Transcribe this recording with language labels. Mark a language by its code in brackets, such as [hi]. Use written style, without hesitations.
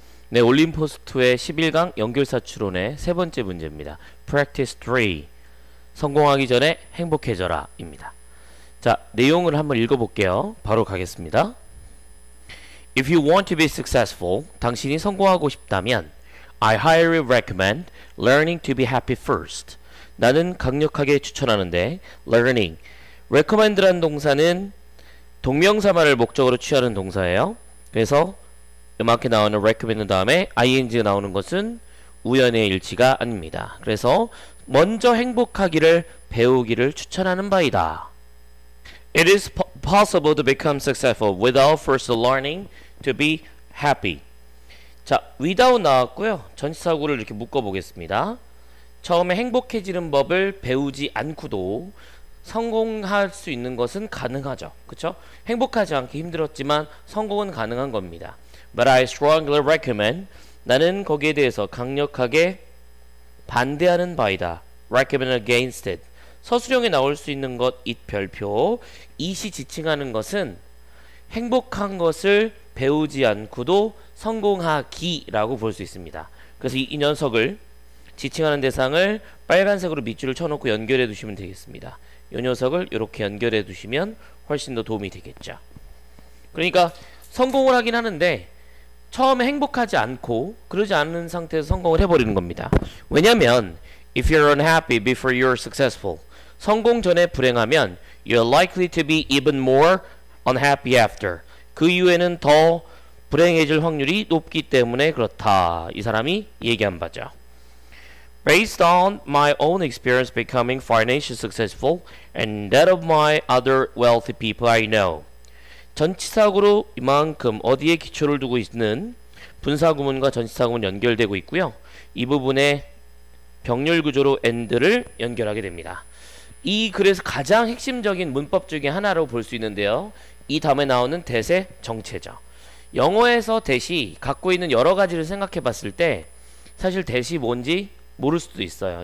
[ko] 네, 올림포스트의 11강 연결사 추론의 세 번째 문제입니다. [en] Practice 3. [ko] 성공하기 전에 행복해져라. 입니다. 자, 내용을 한번 읽어볼게요. 바로 가겠습니다. [en] If you want to be successful, [ko] 당신이 성공하고 싶다면, [en] I highly recommend learning to be happy first. [ko] 나는 강력하게 추천하는데, learning. recommend란 동사는 동명사말을 목적으로 취하는 동사예요. 그래서, 이렇게 나오는 recommend 다음에 ing 나오는 것은 우연의 일치가 아닙니다. 그래서 먼저 행복하기를 배우기를 추천하는 바이다. [en] It is possible to become successful without first learning to be happy. [ko] 자, without 나왔고요. 전치사구를 이렇게 묶어보겠습니다. 처음에 행복해지는 법을 배우지 않고도 성공할 수 있는 것은 가능하죠. 그쵸? 행복하지 않게 힘들었지만 성공은 가능한 겁니다. [en] But I strongly recommend. [ko] 나는 거기에 대해서 강력하게 반대하는 바이다. [en] Recommend against it. [ko] 서술형에 나올 수 있는 것, it 별표. 이시 지칭하는 것은 행복한 것을 배우지 않고도 성공하기라고 볼수 있습니다. 그래서 이 녀석을 지칭하는 대상을 빨간색으로 밑줄을 쳐놓고 연결해 두시면 되겠습니다. 이 녀석을 이렇게 연결해 두시면 훨씬 더 도움이 되겠죠. 그러니까 성공을 하긴 하는데 처음에 행복하지 않고 그러지 않은 상태에서 성공을 해버리는 겁니다. [en] 왜냐면 if you're unhappy before you're successful, [ko] 성공 전에 불행하면 [en] you're likely to be even more unhappy after. [ko] 그 이후에는 더 불행해질 확률이 높기 때문에 그렇다. 이 사람이 얘기한 바죠. [en] Based on my own experience becoming financially successful and that of my other wealthy people I know. [ko] 전치사구로 이만큼 어디에 기초를 두고 있는 분사구문과 전치사구문 연결되고 있고요. 이 부분에 병렬 구조로 and를 연결하게 됩니다. 이 글에서 가장 핵심적인 문법 중에 하나로 볼수 있는데요. 이 다음에 나오는 that의 정체죠. 영어에서 that이 갖고 있는 여러 가지를 생각해 봤을 때 사실 that이 뭔지 모를 수도 있어요.